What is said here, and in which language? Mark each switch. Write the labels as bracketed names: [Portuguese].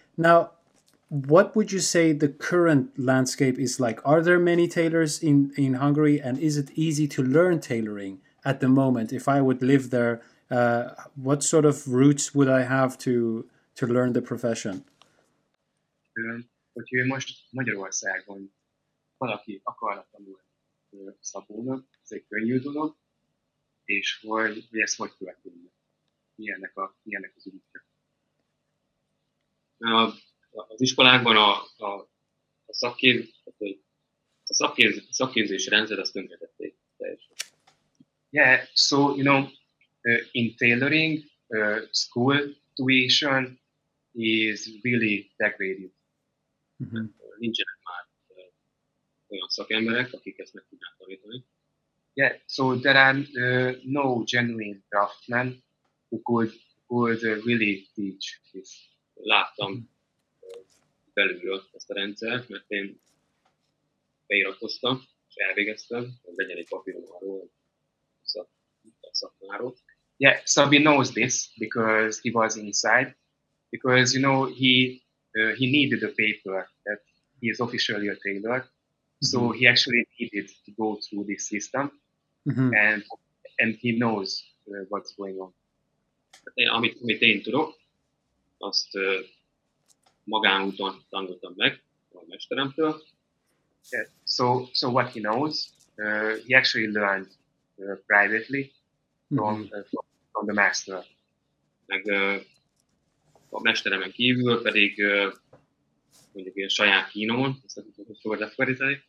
[English] Now, what would you say the current landscape is like? Are there many tailors in Hungary, and is it easy to learn tailoring at the moment? If I would live there, what sort of roots would I have to learn the profession? [Hungarian] Hogyha most Magyarországon valaki akarna tanulni szabónak, ez egy könnyű dolog, és hogy ezt hogy követünk, milyennek az útja. Az iskolákban a szakképzés rendszer az tönkretették teljesen. [English] Yeah, so, you know, in tailoring, school tuition is really degraded. Mm-hmm. [Hungarian] Nincsenek már olyan szakemberek, akik ezt meg tudják tanítani. [English] Yeah, so there are no genuine draftsmen who could really teach this. [Hungarian] Láttam belülről ezt a rendszert, mert én beiratkoztam és elvégeztem, hogy legyen egy papírom arról a szakmáról. [English] Yeah, Szabi knows this because he was inside, because, you know, he needed a paper that he is officially a tailor, so mm-hmm. he actually needed to go through this system, mm-hmm. and he knows what's going on. [Hungarian] Amit én tudok, azt magánúton tanultam meg a mesteremtől. [English] Yeah. So what he knows, he actually learned privately mm-hmm. from the master. [Hungarian] Meg a mesteremen kívül pedig mondjuk ilyen saját kínomon, ezt nem tudom, hogy fogod lefordítani.